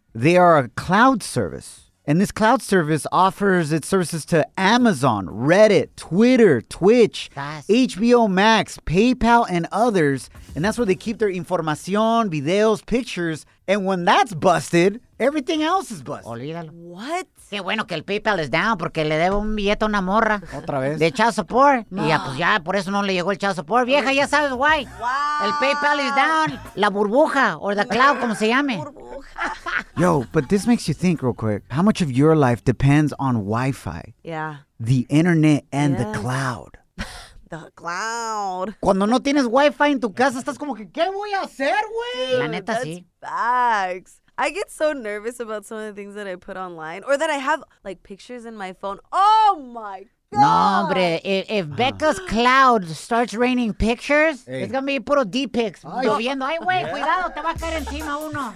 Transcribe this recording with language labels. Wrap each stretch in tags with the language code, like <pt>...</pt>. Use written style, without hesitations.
<en>They are a cloud service. And this cloud service offers its services to Amazon, Reddit, Twitter, Twitch, HBO Max, PayPal, and others. And that's where they keep their información, videos, pictures. And when that's busted, everything else is busted.</en> <es>Olídalo.</es> <en>What?</en> <es>Qué bueno que el PayPal es down porque le debo un billete a una morra. Otra vez. De child support. No. Y ya, pues ya, por eso no le llegó el child support. Vieja, ya sabes why.</es> <en>Wow.</en> <es>El PayPal</es> <en>is down.</en> <es>La burbuja,</es> <en>or the cloud,</en> <es>como se llame. Burbuja.</es> <en>Yo, but this makes you think real quick. How much of your life depends on Wi-Fi? Yeah. The internet and the cloud. The cloud.</en> <es>Cuando no tienes Wi-Fi en tu casa, estás como que, ¿qué voy a hacer, güey? La neta,</es> <en>that's</en> <es>sí.</es> <en>Facts. I get so nervous about some of the things that I put online or that I have, like, pictures in my phone. Oh, my God.</en> <es>No, hombre.</es> <en>If Becca's cloud starts raining pictures, it's going to be puro D-pics.</en> <es>Lloviendo. Ay, güey, cuidado. Te va a caer encima uno.</es>